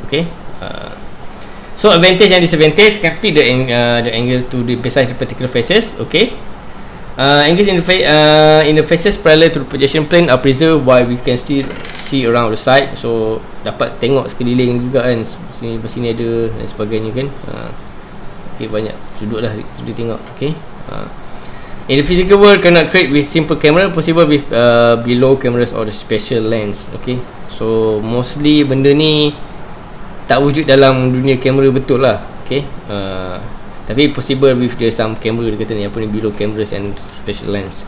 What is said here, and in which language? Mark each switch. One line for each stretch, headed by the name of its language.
English: Okay, so advantage and disadvantage, can pick the angles to the precise the particular faces. Okay, angles in the faces parallel to the projection plane are preserved while we can still see around the side.
Malay: So dapat tengok sekeliling juga kan, sini pas sini ada dan sebagainya kan. Okay, banyak sudut lah sudut tengok.
English: Okay, in the physical world, cannot create with simple camera, possible with below cameras or the special lens.
Malay: Okay, so mostly benda ni tak wujud dalam dunia kamera betul lah. Okay, tapi
English: possible with the some camera,
Malay: dia kata ni apa ni,
English: below cameras and special lens.